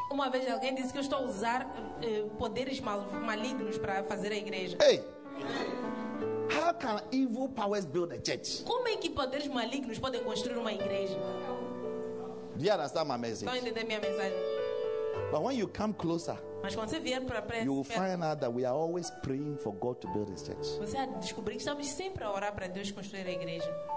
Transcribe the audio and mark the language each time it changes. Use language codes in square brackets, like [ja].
[pt] Uma vez alguém disse que eu estou a usar poderes malignos para fazer a igreja. [en] Hey, how can evil powers build a church? [pt] Como é que poderes malignos podem construir uma igreja? [en] Do you understand my message? [pt] Estão a entender minha mensagem? [en] But when you come closer, [pt] mas quando você vier para perto, [en] you will find out that we are always praying for God to build His church. [pt] Você vai descobrir que estamos sempre a orar para Deus construir a igreja.